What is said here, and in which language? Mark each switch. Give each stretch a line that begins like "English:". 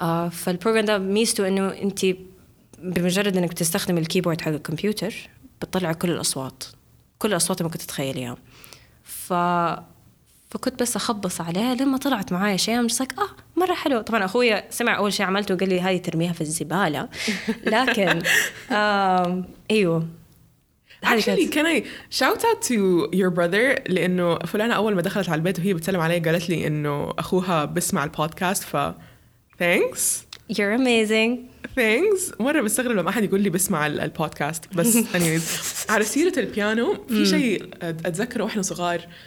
Arabic: فالبروغرام ده ميزته أنه أنت بمجرد أنك تستخدم الكيبورد حق الكمبيوتر بتطلع كل الأصوات كل الأصوات ما كنت تتخيليها فكنت بس أخبص عليها لما طلعت معايا شيء مش لك مرة حلو. طبعا أخويا سمع أول شيء عملته وقال لي هاي ترميها في الزبالة لكن أيوه
English: Actually, can I shout out to your brother?
Arabic: لأنه فلانة أول ما دخلت على البيت وهي بتسلم علي قالت لي إنه أخوها بسمع البودكاست thanks.
English: You're amazing. Thanks.
Arabic: مرة بستغرب لما أحد يقول لي بسمع البودكاست بس anyways. على سيرة البيانو في شيء أتذكره وإحنا صغار.